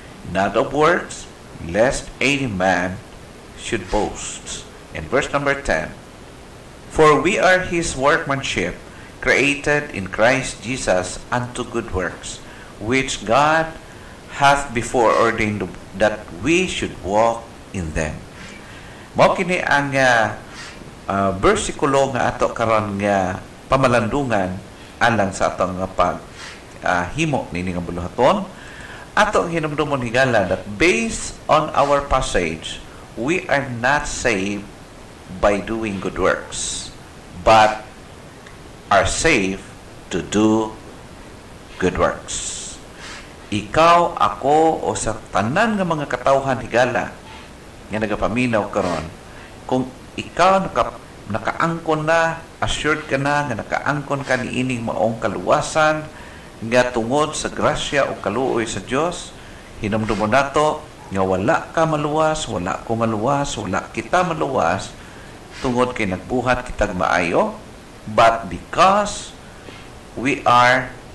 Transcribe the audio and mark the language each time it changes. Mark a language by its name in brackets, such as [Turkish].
[English] Not of works, lest any man should boast." In verse number 10, "For we are His workmanship, created in Christ Jesus unto good works, which God hath before ordained that we should walk in them." [Cebuano] Mao kini ang bersikulo nga ato karon nga pamalandungan alang sa atong paghimo nini nga buluhaton. Ato ang hinumdumon higala [English] that based on our passage, we are not saved by doing good works, but are safe to do good works. [Cebuano] Ikaw, ako, o sa tanan ng mga katauhan higala nga nagapaminaw karon, kung ikaw nakaangkon na, assured ka na nga nakaangkon ka ni ining maong kaluwasan nga tungod sa grasya o kaluoy sa Dios, hinumdumon nato nga wala ka maluwas, wala ko maluwas, wala kita maluwas tungod kay nagbuhat kita maayo, [English] but because we are